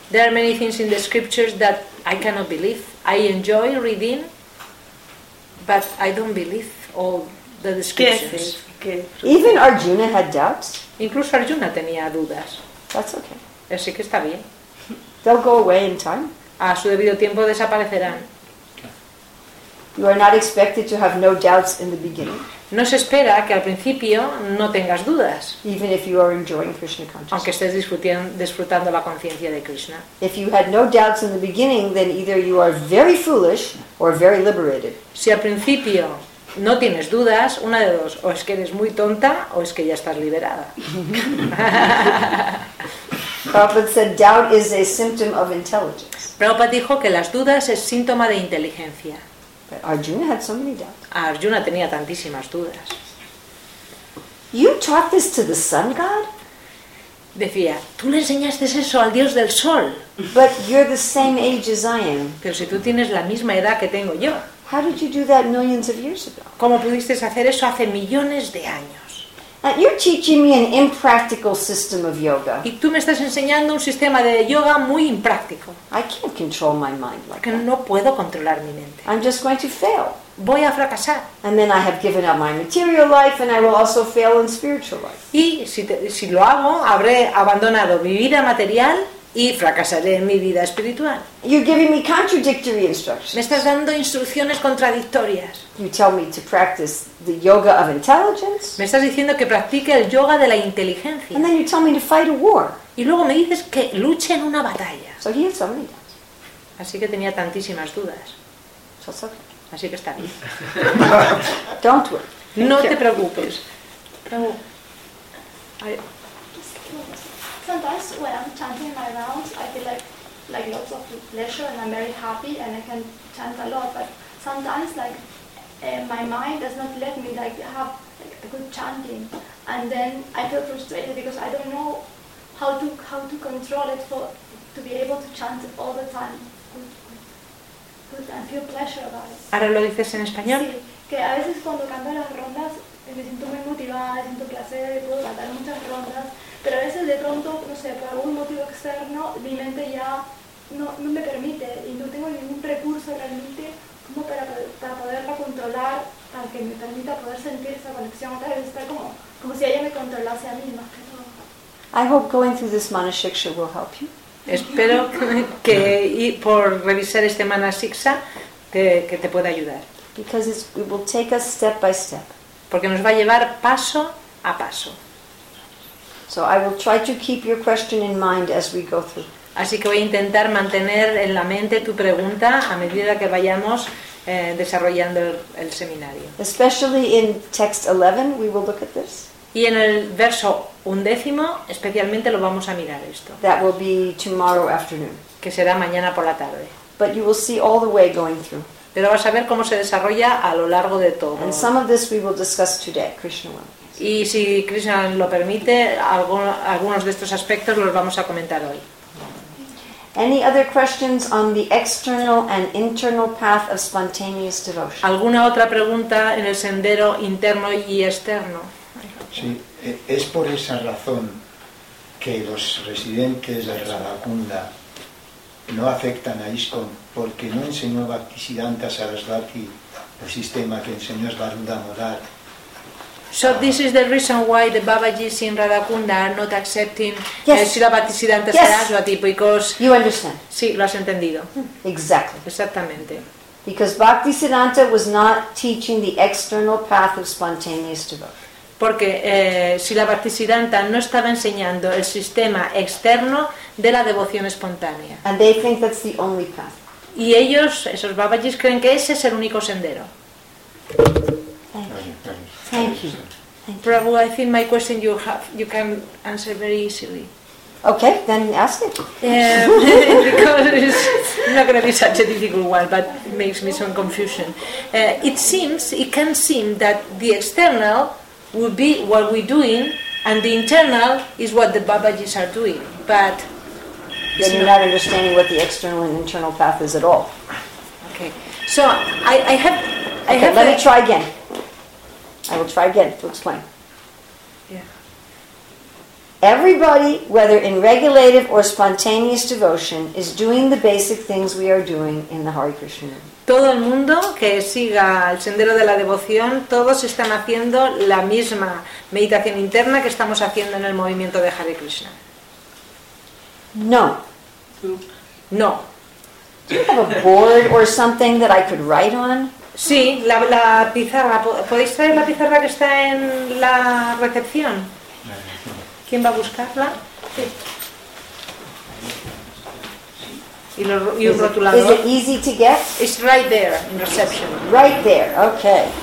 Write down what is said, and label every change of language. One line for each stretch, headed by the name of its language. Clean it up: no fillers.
English: There are many things in the scriptures that I cannot believe. I enjoy reading, but I don't believe all the descriptions. Even Arjuna had doubts.
Spanish: Incluso Arjuna tenía dudas.
English: That's okay.
Spanish: Así que está bien.
English: They'll go away in time.
Spanish: A su debido tiempo desaparecerán.
English: You are not expected to have no doubts in the beginning.
Spanish: No se espera que al principio no tengas dudas.
English: Even if you are enjoying Krishna consciousness.
Spanish: Aunque estés disfrutando la conciencia de Krishna.
English: If you had no doubts in the beginning, then either you are very foolish or very liberated.
Spanish: Si al principio no tienes dudas, una de dos, o es que eres muy tonta o es que ya estás liberada.
English: Prabhupada said doubt is a symptom of intelligence.
Spanish: Prabhupada dijo que las dudas es síntoma de inteligencia.
English: But Arjuna had so many doubts.
Spanish: Arjuna tenía tantísimas dudas.
English: You taught this to the sun god?
Spanish: Decía, tú le enseñaste eso al dios del sol.
English: But you're the same age as I am.
Spanish: Pero si tú tienes la misma edad que tengo yo.
English: How did you do that millions of years ago?
Spanish: ¿Cómo pudiste hacer eso hace millones de años?
English: And you're teaching me an impractical system of yoga.
Spanish: Y tú me estás enseñando un sistema de yoga muy impráctico.
English: I can't control my mind like
Spanish: Porque
English: that.
Spanish: No puedo controlar mi mente.
English: I'm just going to fail.
Spanish: Voy a fracasar.
English: And then I have given up my material life and I will also fail in spiritual life.
Spanish: Y si lo hago, habré abandonado mi vida material y fracasaré en mi vida espiritual.
English: You're giving me contradictory instructions.
Spanish: Me estás dando instrucciones contradictorias.
English: You tell me to practice the yoga of intelligence.
Spanish: Me estás diciendo que practique el yoga de la inteligencia.
English: And then you tell me to fight a war.
Spanish: Y luego me dices que luche en una batalla.
English: So he had so many doubts.
Spanish: Así que tenía tantísimas dudas.
English: So it's okay.
Spanish: Así que está bien.
English: Don't worry.
Spanish: No te preocupes.
English: Sometimes when I'm chanting my rounds, I feel like lots of pleasure and I'm very happy and I can chant a lot. But sometimes my mind does not let me have a good chanting, and then I feel frustrated because I don't know how to control it to be able to chant all the time. Good and feel pleasure about it.
Spanish: ¿Ahora lo dices en español? Sí, que a veces cuando canto las rondas me siento muy motivada, siento placer, puedo cantar muchas rondas. Pero a veces de pronto, no sé, por algún motivo externo, mi mente ya no me permite y no tengo ningún recurso realmente como para poderla controlar, para que me permita poder sentir esa conexión. Otra vez está como si ella me controlase a mí más que todo.
English: I hope going through this manashiksha will help you.
Spanish: Espero que por revisar este manashiksha que te pueda ayudar.
English: Because it will take us step by step.
Spanish: Porque nos va a llevar paso a paso.
English: So I will try to keep your question in mind as we go through.
Spanish: Así que voy a intentar mantener en la mente tu pregunta a medida que vayamos desarrollando el seminario.
English: Especially in text 11, we will look at this.
Spanish: Y en el verso undécimo, especialmente lo vamos a mirar esto.
English: That will be tomorrow afternoon.
Spanish: Que será mañana por la tarde.
English: But you will see all the way going through.
Spanish: Pero vas a ver cómo se desarrolla a lo largo de todo.
English: And some of this we will discuss today, Krishna will.
Spanish: Y si Krishna lo permite, algunos de estos aspectos los vamos a comentar hoy.
English: Any other questions on the external and internal path of spontaneous devotion?
Spanish: ¿Alguna otra pregunta en el sendero interno y externo? Sí, es por esa razón que los residentes de Radhakunda no afectan a ISKCON, porque no enseñó Bhaktisiddhanta Sarasvati el sistema que enseñó Svarudha Modar.
English: So this is the reason why the Babaji's in Radhakunda are not accepting Srila Bhaktisiddhanta Sarasvati, because you understand.
Spanish: Sí, lo has entendido.
English: Exactly.
Spanish: Exactamente.
English: Because Bhaktisiddhanta was not teaching the external path of spontaneous devotion.
Spanish: Porque Srila Bhaktisiddhanta no estaba enseñando el sistema externo de la devoción espontánea.
English: And they think that's the only path.
Spanish: Y ellos, esos Babaji's, creen que ese es el único sendero.
English: Thank you. Prabhu, I think my question you can answer very easily. Okay, then ask it. because it's not going to be such a difficult one, but makes me some confusion. It can seem that the external would be what we're doing, and the internal is what the Babaji's are doing. But then you're not understanding what the external and internal path is at all. Okay, so I have. Let me try again. I will try again to explain. Yeah. Everybody, whether in regulative or spontaneous devotion, is doing the basic things we are doing in the Hare Krishna movement.
Spanish: Todo el mundo que siga el sendero de la devoción, todos están haciendo la misma meditación interna que estamos haciendo en el movimiento de Hare Krishna.
English: No.
Spanish: No.
English: Do you have a board or something that I could write on?
Spanish: Sí, la pizarra. ¿Podéis traer la pizarra que está en la recepción? ¿Quién va a buscarla? Sí. Y un rotulador.
English: Is it easy to get? It's right there, in reception. Right there, okay.